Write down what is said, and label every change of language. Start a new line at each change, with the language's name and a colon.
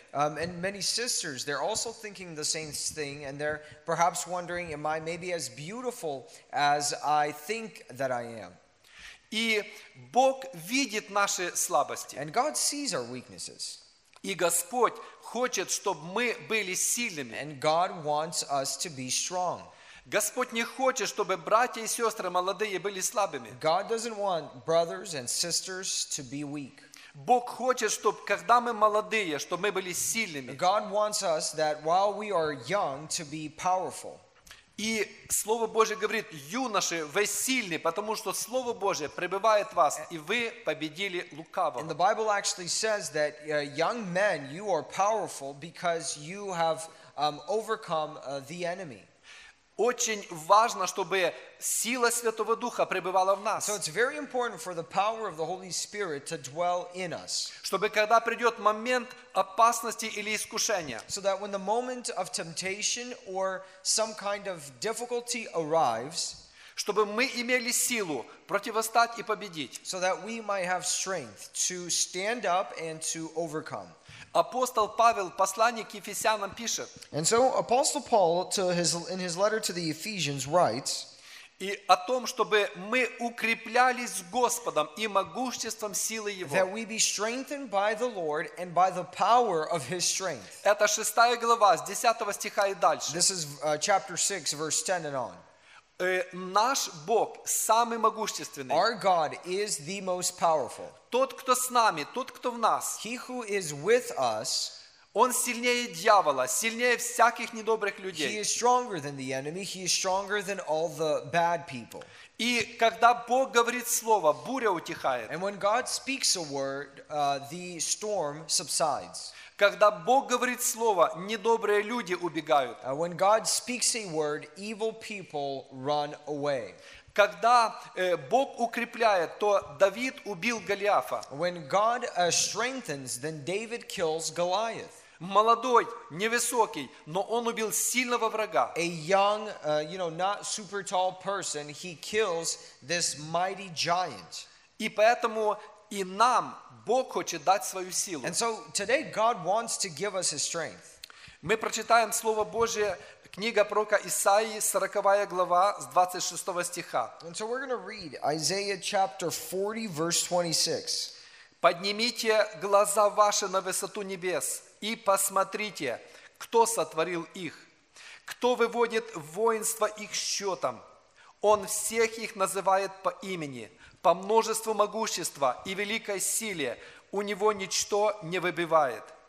English: And many sisters, they're also thinking the same thing, and they're perhaps wondering, am I maybe as beautiful as I think that I am?
Russian: И Бог видит наши слабости.
English: And God sees our weaknesses.
Russian: И Господь хочет, чтобы мы были сильными.
English: And God wants us to be strong.
Russian: Господь не хочет, чтобы братья и сестры молодые были слабыми.
English: God doesn't want brothers and sisters to be weak.
Russian: Бог хочет, чтобы когда мы молодые, чтобы мы были сильными.
English: God wants us that while we are young to be powerful.
Russian: И Слово Божье говорит, юноши, вы сильны, потому что Слово Божье пребывает в вас, и вы победили лукавого.
English: And the Bible actually says that young men, you are powerful because you have overcome the enemy.
Russian: Очень важно, чтобы сила Святого Духа пребывала в нас.
English: So it's very important for the power of the Holy Spirit to dwell in us.
Russian: Чтобы когда придет момент опасности или искушения.
English: So that when the moment of temptation or some kind of difficulty arrives,
Russian: чтобы мы имели силу противостать и победить.
English: So that we might have strength to stand up and to overcome.
Russian: Апостол Павел в послании к Ефесянам пишет.
English: And so Apostle Paul in his letter to the Ephesians writes.
Russian: И о том, чтобы мы укреплялись с Господом и могуществом силы Его.
English: That we be strengthened by the Lord and by the power of His strength.
Russian: Это 6 глава, с 10 стиха и дальше.
English: This is chapter 6, verse 10 and on.
Russian: Наш Бог самый могущественный.
English: Our God is the most powerful.
Russian: Тот, кто с нами, тот, кто в нас.
English: He who is with us.
Russian: Он сильнее дьявола, сильнее всяких недобрых людей.
English: He is stronger than the enemy. He is stronger than all the bad people.
Russian: И когда Бог говорит слово, буря утихает.
English: And when God speaks a word, the storm subsides.
Russian: Когда Бог говорит слово, недобрые люди убегают.
English: When God speaks a word, evil people run away.
Russian: Когда Бог укрепляет, то Давид убил Голиафа.
English: When God strengthens, then David kills Goliath.
Russian: Молодой, невысокий, но он убил сильного врага.
English: A young, you know, not super tall person, he kills this mighty giant.
Russian: И поэтому и нам Бог хочет дать свою силу.
English: And so today God wants to give us His strength.
Russian: Мы прочитаем Слово Божие, книга пророка Исаии, 40 глава, с 26 стиха.
English: And so we're going to read Isaiah chapter 40, verse 26.
Russian: Поднимите глаза ваши на высоту небес и посмотрите, кто сотворил их, кто выводит воинство их счетом. Он всех их называет по имени, по множеству могущества и великой силе у него ничто не выбивает.